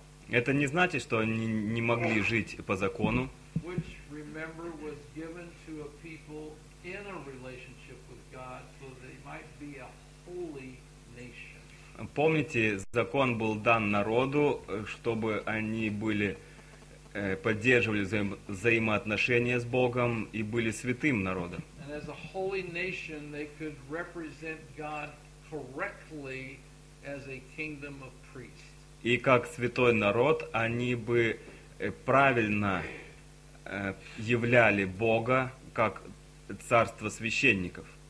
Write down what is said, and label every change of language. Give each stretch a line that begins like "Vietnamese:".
Russian: Это не значит, что они не могли жить по закону,
English: which, remember, was given to a people in a relationship with God, so they might be a holy nation.
Russian: Помните, закон был дан народу, чтобы они были, поддерживали взаимоотношения с Богом и были святым народом.
English: And as a holy nation, they could represent God correctly as a kingdom of priests.
Russian: И как святой народ, они бы правильно являли Бога, как царство священников.